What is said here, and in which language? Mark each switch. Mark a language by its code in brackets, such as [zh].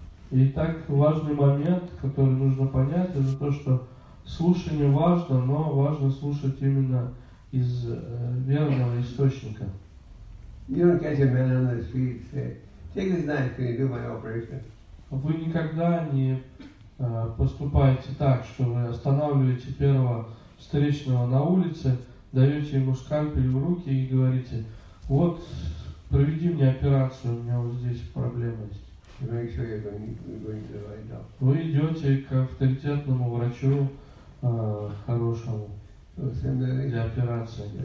[ru] Итак, важный момент, который нужно понять, это то, что слушание важно, но важно слушать именно из верного источника. [en] Take this knife, can you do my operation? [ru] Вы никогда не поступаете так, что вы останавливаете первого встречного на улице, даете ему скальпель в руки и говорите, вот, проведи мне операцию, у меня вот здесь проблема есть. [en] You make sure you're going to the right doctor. [ru] Вы идете к авторитетному врачу хорошему для операции.